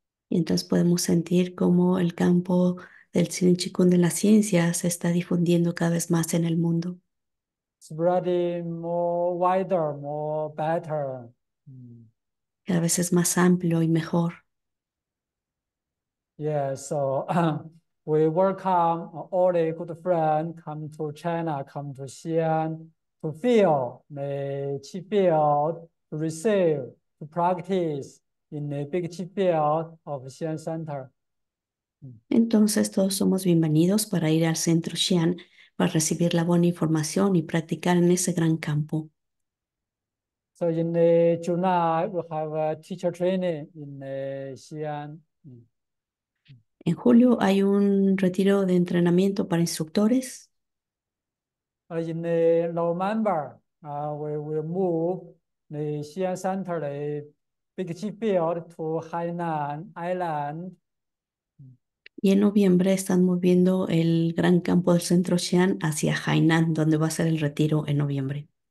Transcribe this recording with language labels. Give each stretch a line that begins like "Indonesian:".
Spanish: Y entonces podemos sentir cómo el campo del Zhilin Qigong de la ciencia se está difundiendo cada vez más en el mundo.
English: Spreading more wider, more better.
Spanish: Cada vez es más amplio y mejor.
English: Yeah, so we welcome all the good friends come to China, come to Xi'an to feel the Qi field, to receive, to practice in the big Qi field of Xi'an Center.
Spanish: Entonces todos somos bienvenidos para ir al centro Xi'an para recibir la buena información y practicar en ese gran campo.
English: So in the July, we have a teacher training in Xi'an.
Spanish: En julio hay un retiro de entrenamiento para instructores.
English: In the November, we will move the Xi'an Center, the Big Chi Field, to Hainan Island.
Spanish: Y en noviembre están moviendo el gran campo del centro Xi'an hacia Hainan, donde va a ser el retiro en noviembre.